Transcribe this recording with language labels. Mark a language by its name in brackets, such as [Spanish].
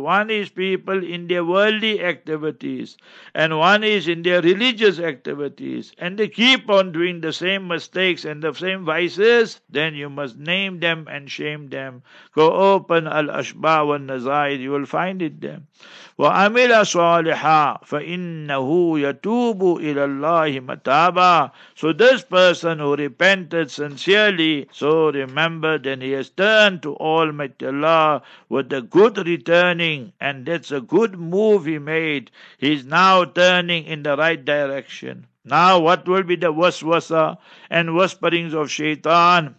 [English] One is people in their worldly activities, and one is in their religious activities, and they keep on doing the same mistakes and the same vices, then you must name them and shame them. Go open Al-Ashbah والنزايد, you will find it there. [Arabic] وعمل صالحا فإنه يتوب إلى الله متابا. [English] So this person who repented sincerely, so remember, then he has turned to Almighty Allah with a good returning, and that's a good move he made. He's now turning in the right direction. Now what will be the waswasa and whisperings of shaitan?